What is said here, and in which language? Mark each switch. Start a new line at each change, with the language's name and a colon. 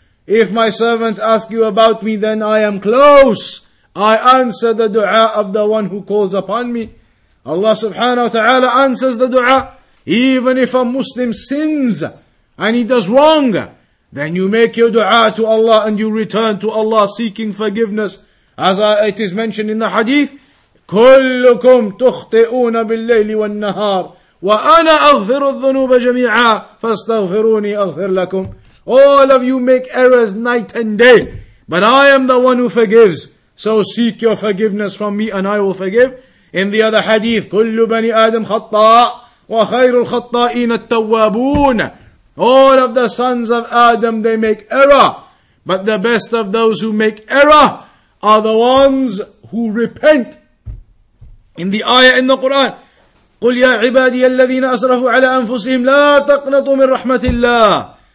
English: If my servants ask you about me, then I am close. I answer the dua of the one who calls upon me. Allah subhanahu wa ta'ala answers the dua. Even if a Muslim sins and he does wrong, then you make your dua to Allah and you return to Allah seeking forgiveness. As it is mentioned in the hadith,
Arabic: كلكم تخطئون بالليل والنهار وأنا أغفر الذنوب جميعا فاستغفروني أغفر لكم.
English: All of you make errors night and day, but I am the one who forgives. So seek your forgiveness from me and I will forgive. In the other hadith,
Arabic: كل بني آدم خطاء وخير الخطائين التوابون.
English: All of the sons of Adam, they make error, but the best of those who make error are the ones who repent. In the ayah in the Quran,
Arabic: قُلْ يَا عِبَادِيَ الَّذِينَ أَسْرَفُوا عَلَىٰ أَنفُسِهِمْ لَا تَقْنَطُوا مِنْ رَحْمَةِ اللَّهِ.